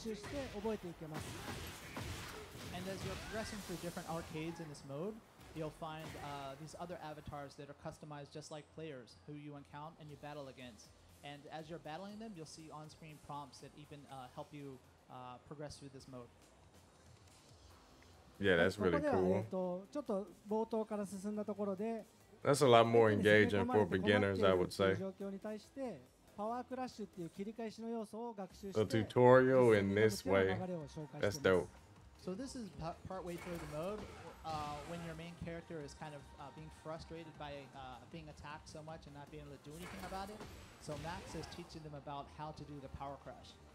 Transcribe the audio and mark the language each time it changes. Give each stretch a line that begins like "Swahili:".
English: And as you're progressing through different arcades in this mode, you'll find these other avatars that are customized just like players who you encounter and you battle against. And as you're battling them, you'll see on-screen prompts that even help you progress through this mode. Yeah, that's really cool.
Japanese: ちょっと冒頭から進んだところで、
English: That's a lot more engaging for beginners, I would say.
Japanese: 状況に対して、パワークラッシュっていう切り返しの要素を学習して、
English: The tutorial in this way, that's dope. So this is partway through the mode, when your main character is kind of being frustrated by being attacked so much and not being able to do anything about it. So Max is teaching them about how to do the power crush.